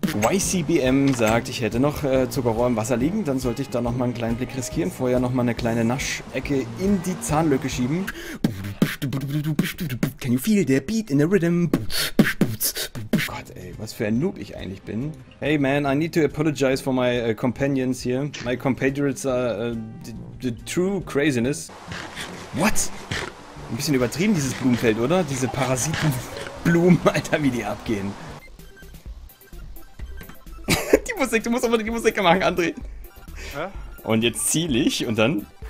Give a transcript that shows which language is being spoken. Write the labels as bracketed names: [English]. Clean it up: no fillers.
[German] YCBM sagt, ich hätte noch Zuckerrohr im Wasser liegen, dann sollte ich da nochmal einen kleinen Blick riskieren. Vorher nochmal eine kleine Naschecke in die Zahnlücke schieben. [English] Can you feel the beat in the rhythm? [German] Gott, ey, was für ein Noob ich eigentlich bin. [English] Hey man, I need to apologize for my companions here. My compatriots are the true craziness. What? [German] Ein bisschen übertrieben, dieses Blumenfeld, oder? Diese Parasitenblumen, Alter, wie die abgehen. Musik, du musst aber die Musik machen, André. Hä? Und jetzt ziele ich und dann.